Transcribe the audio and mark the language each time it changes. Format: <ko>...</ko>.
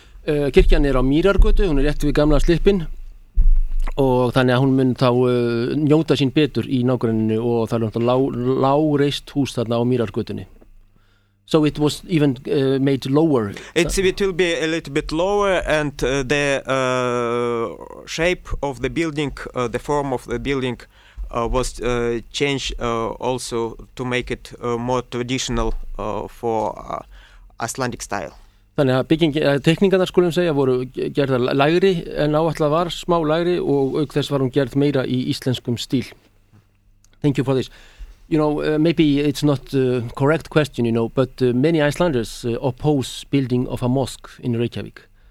<is>Kirkjan á Mýrargötu, hún rétt við gamla slippin, og þannig að hún mun þá njóta sín betur í nágrenninu, og það náttúrulega lágreist hús þarna á Mýrargötunni.</is> <en>So it was even made lower. It will be a little bit lower, and the shape of the building, the form of the building, was changed also to make it more traditional for Icelandic style.</en> <is>Þannig að teikningarnar skulum segja voru gerðar lægri en áætlað var, smá lægri, og auk þess var hún gerð meira í íslenskum stíl.</is> <en>Thank you for this. You know, maybe it's not a correct question, you know, but many Icelanders oppose building of a mosque in Reykjavik.</en>